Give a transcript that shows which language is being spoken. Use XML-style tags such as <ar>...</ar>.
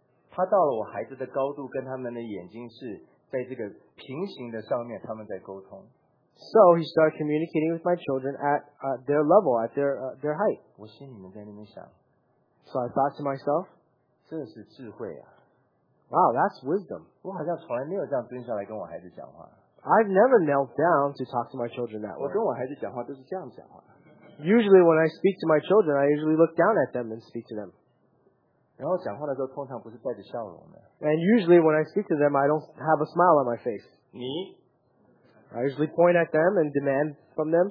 <zh>他到了我孩子的高度跟他们的眼睛是在这个平行的上面他们在沟通。So</zh> <en>he started communicating with my children at their level, at their height.</en> <zh>我心里面在那边想。So</zh> <en>I thought to myself,</en> <zh>真的是智慧啊。</zh> <en>Wow, that's wisdom.</en> <zh>我好像从来没有这样蹲下来跟我孩子讲话。</zh> <en>I've never knelt down to talk to my children that way.</en> <zh>我跟我孩子讲话都是这样讲话。</zh> <en>Usually when I speak to my children, I usually look down at them and speak to them.</en> <zh>然后讲话的时候通常不是带着笑容的。</zh> <en>And usually when I speak to them, I don't have a smile on my face.</en> <zh>你?</zh> <en>I usually point at them and demand from them.</en>